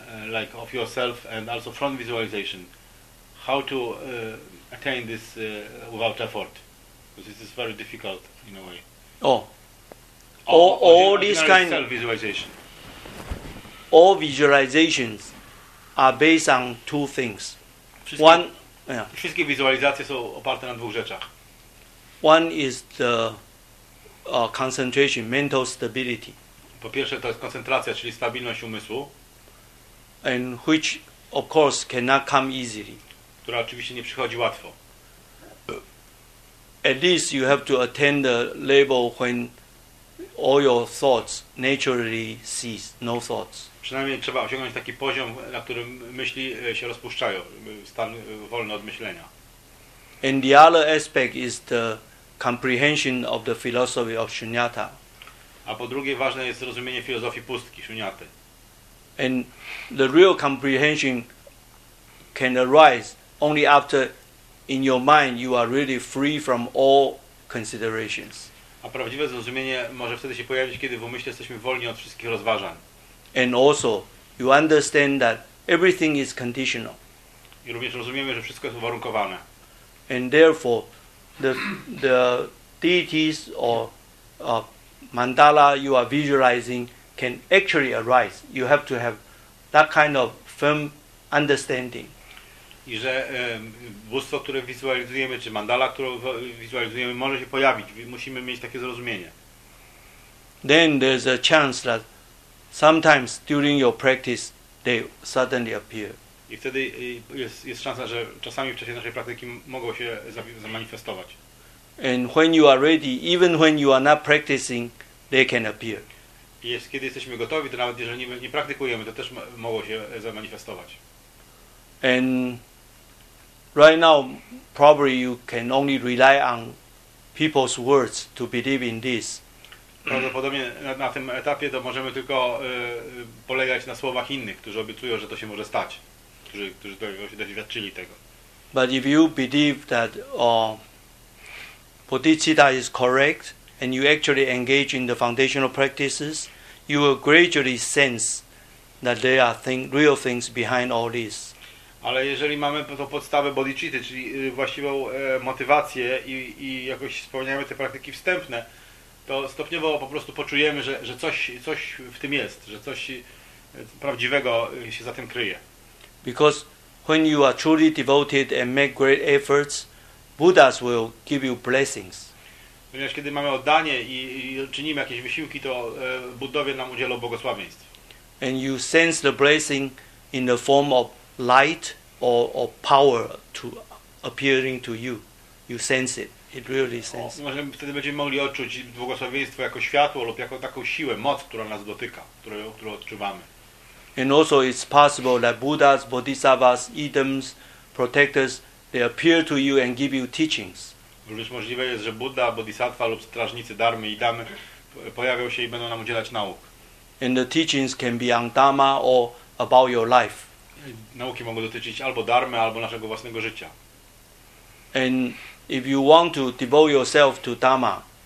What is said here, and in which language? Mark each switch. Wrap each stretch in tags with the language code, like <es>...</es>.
<en>like of yourself and also from visualization, how to attain this without effort? Because this is very difficult in a way. All this kind of visualization. All visualizations are based on two things.</en> <pl>Wszystkie wizualizacje są oparte na dwóch rzeczach.</pl> <en>One is the concentration, mental stability.</en> <pl>Po pierwsze, to jest koncentracja, czyli stabilność umysłu.</pl> <en>And which, of course, cannot come easily.</en> <pl>Która oczywiście nie przychodzi łatwo.</pl> <en>At least you have to attain the level when all your thoughts naturally cease, no thoughts.</en> <pl>Przynajmniej trzeba osiągnąć taki poziom, na którym myśli się rozpuszczają, stan wolny od myślenia.</pl> <en>And the other aspect is the comprehension of the philosophy of shunyata.</en> <pl>A po drugie, ważne jest zrozumienie filozofii pustki, shunyaty.</pl> <en>And the real comprehension can arise only after in your mind you are really free from all considerations.</en> <pl>A prawdziwe zrozumienie może wtedy się pojawić, kiedy w umyśle jesteśmy wolni od wszystkich rozważań.</pl> <en>And also you understand that everything is conditional.</en> <pl>I również rozumiemy, że wszystko jest uwarunkowane.</pl> <en>And therefore the deities or mandala you are visualizing can actually arise. You have to have that kind of firm understanding.</en> <pl>I że bóstwo, które wizualizujemy, czy mandala, którą wizualizujemy, może się pojawić. Musimy mieć takie zrozumienie.</pl> <en>Then there's a chance that sometimes during your practice they suddenly appear.</en> <pl>I wtedy jest szansa, że czasami w czasie naszej praktyki mogą się zamanifestować.</pl> <en>And when you are ready, even when you are not practicing, they can appear.</en> <pl>Kiedy jesteśmy gotowi, to nawet jeżeli nie praktykujemy, to też mogą się zamanifestować.</pl> <en>And right now, probably you can only rely on people's words to believe in this.</en> <pl>Prawdopodobnie na tym etapie to możemy tylko polegać na słowach innych, którzy obiecują, że to się może stać, którzy doświadczyli tego.</pl> <en>But if you believe that bodhicitta is correct and you actually engage in the foundational practices, you will gradually sense that there are real things behind all this.</en> <pl>Ale jeżeli mamy tą podstawę bodhicitty, czyli właściwą motywację i jakoś spełniamy te praktyki wstępne, to stopniowo po prostu poczujemy, że coś w tym jest, że coś prawdziwego się za tym kryje.</pl> <en>Because when you are truly devoted and make great efforts, Buddhas will give you blessings.</en> <pl>Ponieważ kiedy mamy oddanie i czynimy jakieś wysiłki, to Buddowie nam udzielą błogosławieństw.</pl> <en>And you sense the blessing in the form of light or power to appearing to you. You sense it. It really senses.</en> <pl>Może wtedy będziemy mogli odczuć błogosławieństwo jako światło lub jako taką siłę, moc, która nas dotyka, którą odczuwamy.</pl> <en>And also it's possible that Buddhas, Bodhisattvas, Edams, protectors, they appear to you and give you teachings.</en> <pl>Również możliwe jest, że Budda, Bodhisattva lub strażnicy Dharmy i Damy pojawią się i będą nam udzielać nauk.</pl> <en>And the teachings can be on Dhamma or about your life.</en> <pl>Nauki mogą dotyczyć albo Dharmy, albo naszego własnego życia.</pl> <en>And if you want to devote yourself to Dhamma,</en>